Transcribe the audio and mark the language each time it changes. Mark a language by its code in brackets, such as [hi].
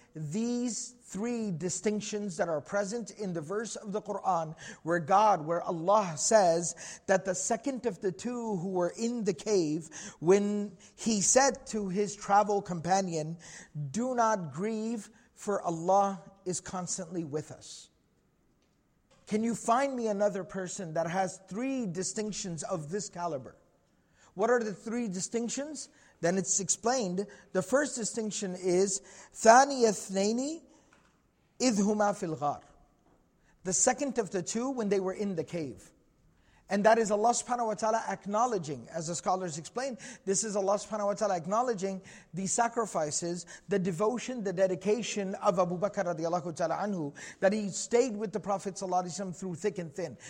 [en] these three distinctions that are present in the verse of the Quran, where God, where Allah says that the second of the two who were in the cave, when he said to his travel companion, "Do not grieve, for Allah is constantly with us." Can you find me another person that has three distinctions of this caliber? What are the three distinctions? Then it's explained. The first distinction is [ar] ثاني اثنين إذ هما في الغار. [en] The second of the two when they were in the cave. And that is Allah subhanahu wa ta'ala acknowledging, as the scholars explain, this is Allah subhanahu wa ta'ala acknowledging the sacrifices, the devotion, the dedication of Abu Bakr radiallahu ta'ala anhu, that he stayed with the Prophet sallallahu alayhi wa sallam through thick and thin.